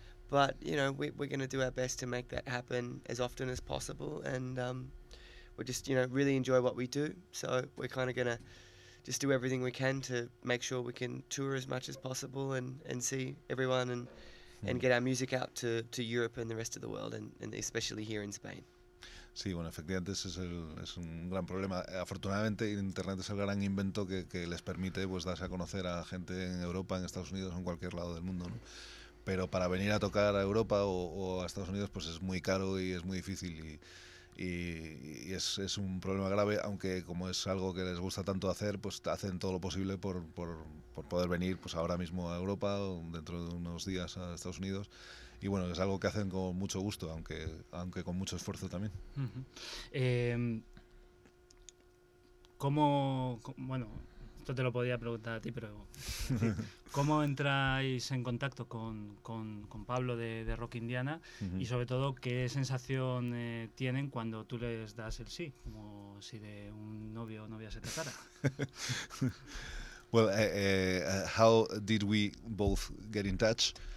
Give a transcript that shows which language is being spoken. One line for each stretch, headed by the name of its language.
English: But you know, we're going to do our best to make that happen as often as possible, and we're just, you know, really enjoy what we do. So we're kind of going to just do everything we can to make sure we can tour as much as possible and see everyone and get our music out to Europe and the rest of the world, and especially here in Spain.
Spanish: Sí, bueno, efectivamente ese es un gran problema. Afortunadamente Internet es el gran invento que les permite, pues, darse a conocer a gente en Europa, en Estados Unidos o en cualquier lado del mundo, ¿no? Pero para venir a tocar a Europa o a Estados Unidos, pues es muy caro y es muy difícil y es un problema grave, aunque como es algo que les gusta tanto hacer, pues hacen todo lo posible por poder venir, pues ahora mismo a Europa o dentro de unos días a Estados Unidos. Y bueno, es algo que hacen con mucho gusto, aunque con mucho esfuerzo también. Uh-huh. ¿Cómo, esto te lo podía preguntar a ti, pero ¿cómo entráis en contacto con Pablo de Rock Indiana? Uh-huh. Y sobre todo, ¿qué sensación tienen cuando tú les das el sí? Como si de un novio o novia se tratara.
English: Well, how did we both get in touch?